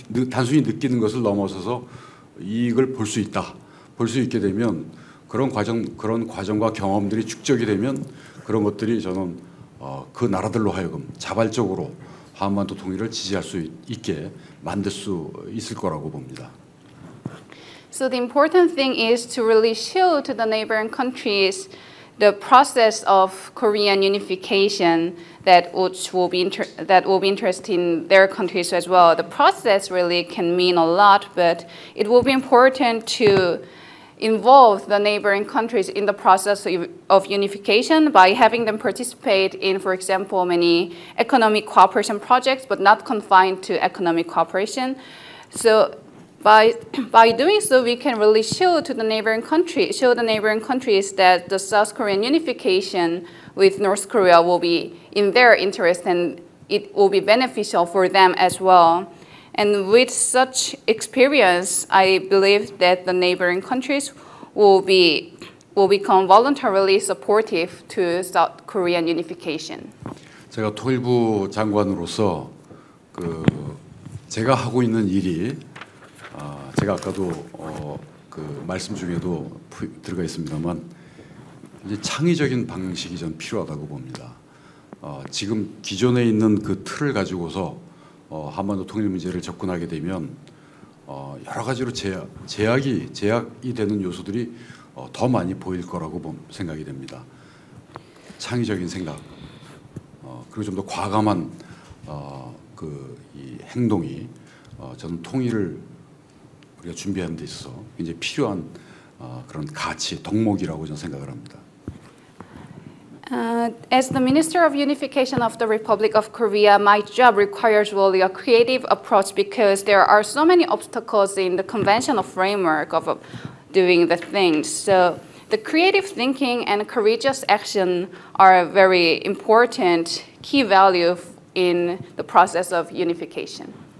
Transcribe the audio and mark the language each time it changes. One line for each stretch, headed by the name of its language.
Korean: 단순히 느끼는 것을 넘어서서 이익을 볼 수 있다, 볼 수 있게 되면 그런 과정과 경험들이 축적이 되면 그런 것들이 저는 그 나라들로 하여금 자발적으로 한반도 통일을 지지할 수 있게 만들 수 있을 거라고 봅니다.
English: So the important thing is to really show to the neighboring countries. The process of Korean unification that will be interested in their countries as well. The process really can mean a lot, but it will be important to involve the neighboring countries in the process of unification by having them participate in, for example, many economic cooperation projects, but not confined to economic cooperation. So By doing so, we can really show the neighboring countries that the South Korean unification with North Korea will be in their interest and it will be beneficial for them as well. And with such experience, I believe that the neighboring countries will become voluntarily supportive to South Korean unification.
Korean: 제가 통일부 장관으로서 그 제가 하고 있는 일이 제가 아까도 그 말씀 중에도 들어가 있습니다만 이제 창의적인 방식이 좀 필요하다고 봅니다. 지금 기존에 있는 그 틀을 가지고서 한반도 통일 문제를 접근하게 되면 여러 가지로 제약이 되는 요소들이 더 많이 보일 거라고 생각이 됩니다. 창의적인 생각 그리고 좀 더 과감한 그 이 행동이 저는 통일을 우리가 준비하는 데 있어서 굉장히 필요한 그런 가치, 덕목이라고 저는 생각을 합니다.
English: As the Minister of Unification of the Republic of Korea, my job requires really a creative approach because there are so many obstacles in the conventional framework of doing the things. So the creative thinking and courageous action are a very important key value in the process of unification.